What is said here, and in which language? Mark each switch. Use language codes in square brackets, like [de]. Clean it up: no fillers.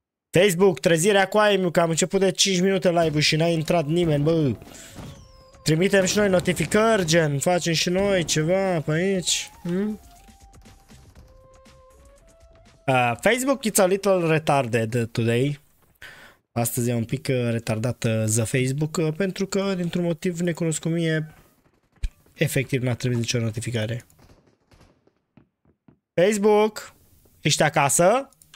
[ro] Facebook, trezirea cu Aimiu, că am început de 5 minute live-ul și n-a intrat nimeni, bă! Trimitem și noi notificări, gen, facem și noi ceva pe aici. [en] Facebook, it's a little retarded today. [ro] Astăzi e un pic retardat the Facebook, pentru că, dintr-un motiv necunoscut mie, efectiv n-a trimis nicio notificare. Facebook, ești acasă?